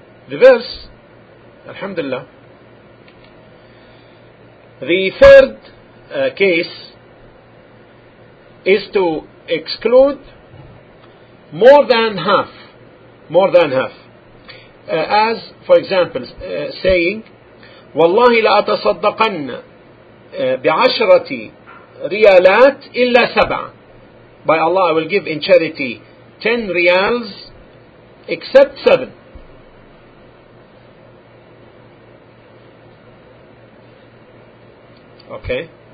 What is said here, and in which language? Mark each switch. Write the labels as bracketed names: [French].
[English] The verse, Alhamdulillah. The third case is to exclude more than half, more than half. As, for example, saying, [Arabic] وَاللَّهِ لَأَتَصَدَّقَنَّ بِعَشْرَةِ رِيَالَاتِ إِلَّا سَبْعًا. [English] By Allah, I will give in charity 10 riyals except 7. Okay.